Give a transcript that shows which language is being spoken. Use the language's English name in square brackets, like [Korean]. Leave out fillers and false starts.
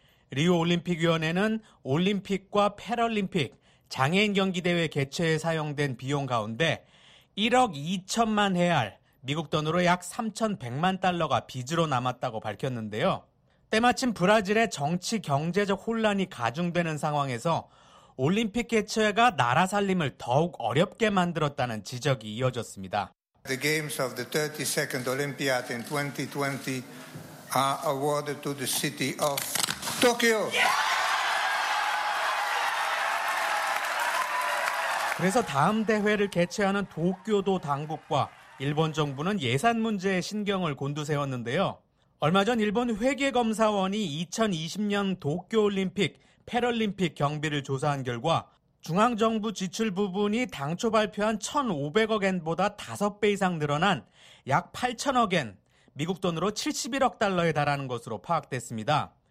[Korean] 리우올림픽위원회는 올림픽과 패럴림픽, 장애인 경기대회 개최에 사용된 비용 가운데 1억 2천만 헤알, 미국 돈으로 약 3,100만 달러가 빚으로 남았다고 밝혔는데요. 때마침 브라질의 정치 경제적 혼란이 가중되는 상황에서 올림픽 개최가 나라 살림을 더욱 어렵게 만들었다는 지적이 이어졌습니다. [English] The games of the 32nd Olympiad in 2020 are awarded to the city of Tokyo. Yeah! [Korean] 그래서 다음 대회를 개최하는 도쿄도 당국과 일본 정부는 예산 문제에 신경을 곤두세웠는데요. 얼마 전 일본 회계검사원이 2020년 도쿄올림픽, 패럴림픽 경비를 조사한 결과 중앙정부 지출 부분이 당초 발표한 1,500억 엔보다 5배 이상 늘어난 약 8,000억 엔, 미국 돈으로 71억 달러에 달하는 것으로 파악됐습니다.